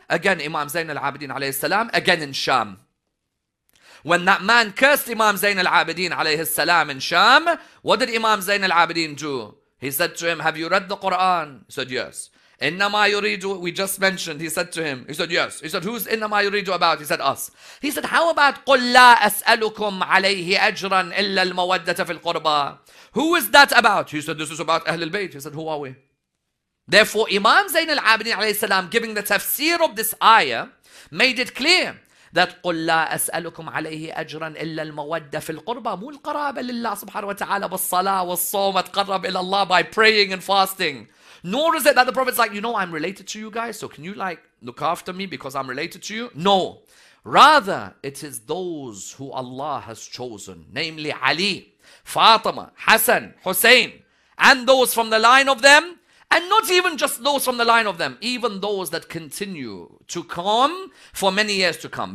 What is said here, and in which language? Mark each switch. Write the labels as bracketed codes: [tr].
[en] Again, Imam Zain al-Abidin alayhi salam, again in Sham. When that man cursed Imam Zain al-Abidin alayhi salam in Sham, what did Imam Zain al-Abidin do? He said to him, have you read the Quran? He said, yes. Inna ma yuridu, we just mentioned, he said to him, he said, yes. He said, who's inna ma yuridu about? He said, us. He said, how about [ar] قُلْ لَا أَسْأَلُكُمْ عَلَيْهِ أَجْرًا إِلَّا الْمَوَدَّةَ فِي الْقُرْبَى. [en] Who is that about? He said, this is about Ahlul Bayt. He said, who are we? Therefore, Imam Zain al-Abidin alayhi salam, giving the tafsir of this ayah, made it clear that [ar] قُلْ لَا أَسْأَلُكُمْ عَلَيْهِ أَجْرًا إِلَّا الْمَوَدَّةَ فِي الْقُرْبَى. مُو الْقَرَابَ لِلَّهِ سُبْحَانَهُ وَتَعَالَى بِالصَّلَاةِ وَالصَّوْمِ اتَقَرَّبْ إِلَى اللَّهِ [en] by praying and fasting. Nor is it that the Prophet's like, you know, I'm related to you guys, so can you like look after me because I'm related to you? No. Rather, it is those who Allah has chosen, namely Ali, Fatima, Hassan, Hussein, and those from the line of them, and not even just those from the line of them, even those that continue to come for many years to come.